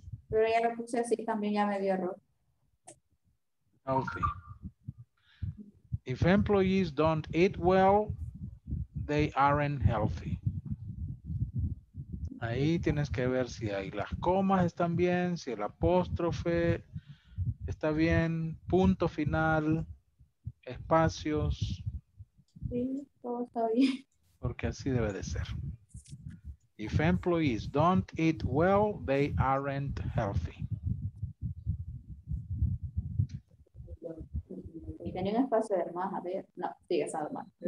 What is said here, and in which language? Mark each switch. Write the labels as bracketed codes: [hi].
[es] Pero ya lo puse así, también ya me dio error. Ok. [en] If employees don't eat well, they aren't healthy. [es] Ahí tienes que ver si ahí las comas están bien, si el apóstrofe está bien, punto final, espacios. Sí, todo está bien. Porque así debe de ser. [en] If employees don't eat well, they aren't healthy. [es] Tenía un espacio de más, a ver, no, sigue siendo más.